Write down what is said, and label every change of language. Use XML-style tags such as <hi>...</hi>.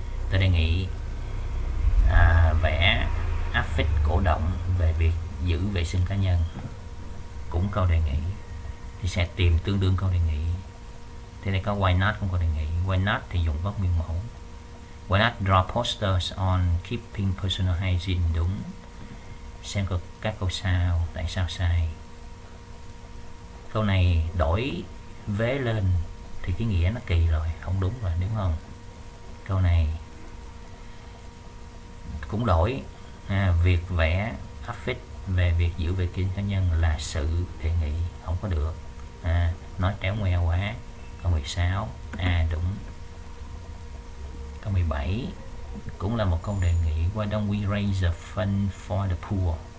<vi>Tôi đề nghị vẽ affix cổ động về việc giữ vệ sinh cá nhân. Cũng câu đề nghị. Thì sẽ tìm tương đương câu đề nghị. Thế này có why not không câu đề nghị. Why not thì dùng verb nguyên mẫu.</vi> <en>Why not draw posters on keeping personal hygiene đúng.</en> <vi>Xem các câu sau tại sao sai. Câu này đổi vế lên thì cái nghĩa nó kỳ rồi, không đúng rồi, đúng không? Câu này cũng đổi việc vẽ affix về việc giữ vệ sinh cá nhân là sự đề nghị, không có được. Nói tréo ngoeo quá. Câu 16, đúng. Câu 17 cũng là một câu đề nghị.</vi> <en>Why don't we raise a fund for the poor?</en>